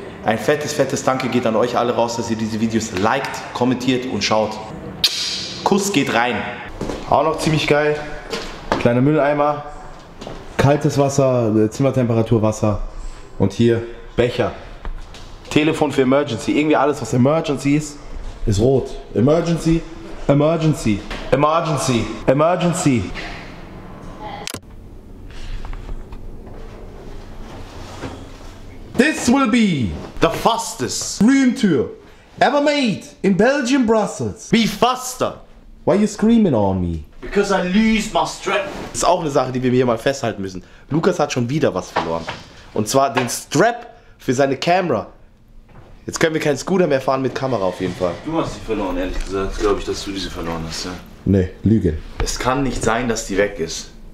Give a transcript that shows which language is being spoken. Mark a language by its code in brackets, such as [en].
[de] Ein fettes, fettes Danke geht an euch alle raus, dass ihr diese Videos liked, kommentiert und schaut. Kuss geht rein! Auch noch ziemlich geil. Kleiner Mülleimer, kaltes Wasser, Zimmertemperatur Wasser und hier Becher. Telefon für Emergency. Irgendwie alles, was Emergency ist, ist rot. [en] Emergency, Emergency, Emergency, Emergency. This will be the fastest Rühmtür ever made in Belgium, Brussels. Be faster. Why are you screaming on me? Because I lose my strap. [de] Das ist auch eine Sache, die wir hier mal festhalten müssen. Lukas hat schon wieder was verloren. Und zwar den Strap für seine Kamera. Jetzt können wir keinen Scooter mehr fahren mit Kamera auf jeden Fall. Du hast sie verloren, ehrlich gesagt. Glaube ich, dass du diese verloren hast, ja? Nee, Lüge. Es kann nicht sein, dass die weg ist.